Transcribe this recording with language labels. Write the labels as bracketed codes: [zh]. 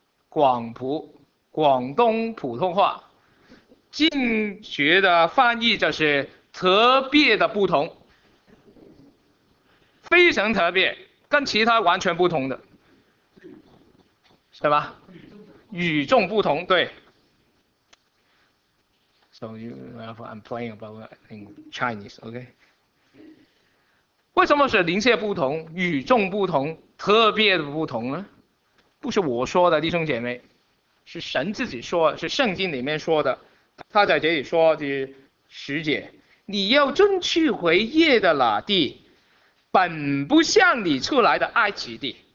[zh] 广东普通话，进学的翻译就是特别的不同，非常特别，跟其他完全不同的，是吧？与众不同，对。 [en] So you, I'm playing about in Chinese, okay? [zh] 为什么是邻舍不同、与众不同、特别的不同呢？不是我说的，弟兄姐妹。是神自己说，是圣经里面说的。他在这里说的十节，你要进去为业的那地，本不像你出来的埃及地。